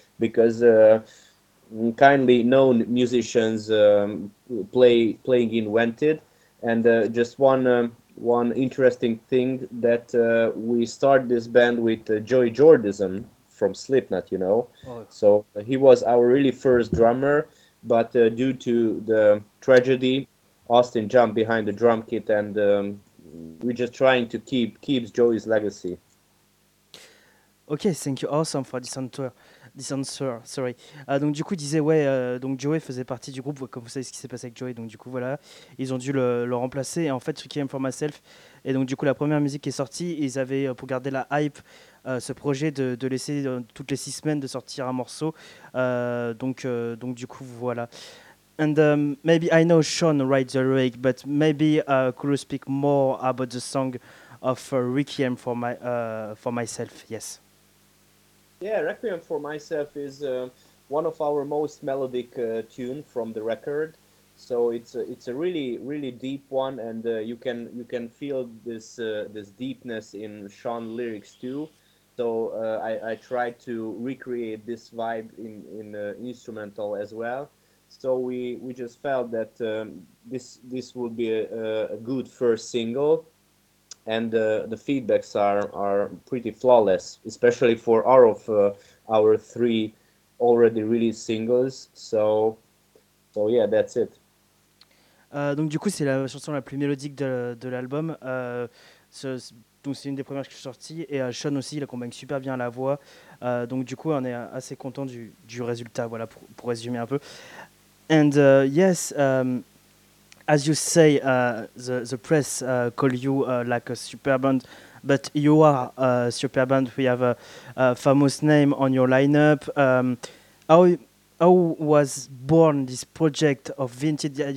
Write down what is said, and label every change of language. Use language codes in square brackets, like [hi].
[en] Because kindly known musicians playing in Wanted, and just one interesting thing that we start this band with Joey Jordison from Slipknot, you know. Oh. So he was our really first drummer, but due to the tragedy, Austin jumped behind the drum kit, and we're just trying to keep Joey's legacy. Okay, thank you, awesome, for this tour. Dissenseur, sorry. [fr] Donc du coup, il disait, ouais, donc Joey faisait partie du groupe, comme vous savez ce qui s'est passé avec Joey, donc du coup, voilà, ils ont dû le remplacer, et en fait, Requiem for Myself, et donc du coup, la première musique qui est sortie, ils avaient, pour garder la hype, ce projet de laisser toutes les 6 semaines de sortir un morceau, donc du coup, voilà. [en] And maybe I know Sean writes the lyric, but maybe could you speak more about the song of Requiem for Myself, yes. Yeah, Requiem for Myself is one of our most melodic tune from the record. So it's a really, really deep one, and you can feel this deepness in Sean lyrics too. So I tried to recreate this vibe in instrumental as well. So we just felt that this would be a good first single. And the feedbacks are pretty flawless, especially for all of our three already released singles. So yeah, that's it. [fr] Donc du coup, c'est la chanson la plus mélodique de l'album. Donc c'est une des premières qui est sortie. Et Sean aussi, il accompagne super bien la voix. Donc du coup, on est assez content du résultat, voilà, pour résumer un peu. [en] And yes... as you say, the press call you like a super band, but you are a super band. We have a famous name on your lineup. How was born this project of Vinted?